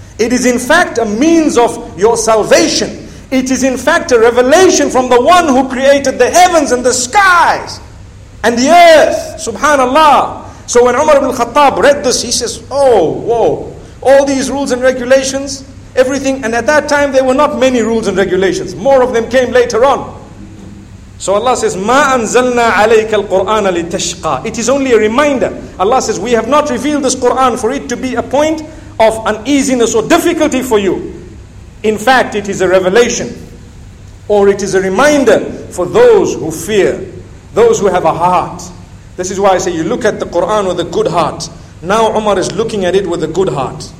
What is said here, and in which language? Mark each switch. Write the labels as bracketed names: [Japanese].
[English] It is in fact a means of your salvation. It is in fact a revelation from the one who created the heavens and the skies and the earth. Subhanallah. So when Umar ibn Khattab read this, he says, oh, whoa, all these rules and regulations, everything. And at that time, there were not many rules and regulations. More of them came later on. So Allah says, [Arabic] مَا أَنزَلْنَا عَلَيْكَ الْقُرْآنَ لِتَشْقَى. [English] It is only a reminder. Allah says, we have not revealed this Quran for it to be a point of uneasiness or difficulty for you. In fact, it is a revelation, or it is a reminder for those who fear, those who have a heart. This is why I say you look at the Quran with a good heart. Now Umar is looking at it with a good heart.